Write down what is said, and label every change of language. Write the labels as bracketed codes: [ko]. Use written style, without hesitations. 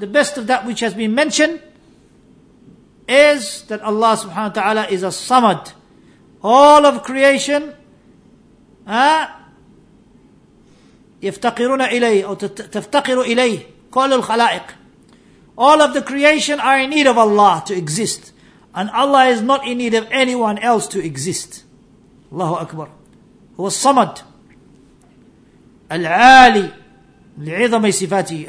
[en] The best of that which has been mentioned is that Allah subhanahu wa ta'ala is a samad. All of creation, [ar] يفتقرون إليه أو تفتقر إليه كل الخلائق. [en] All of the creation are in need of Allah to exist, and Allah is not in need of anyone else to exist. [ar] Allahu Akbar. هو الصمد العالي لعظم صفاته.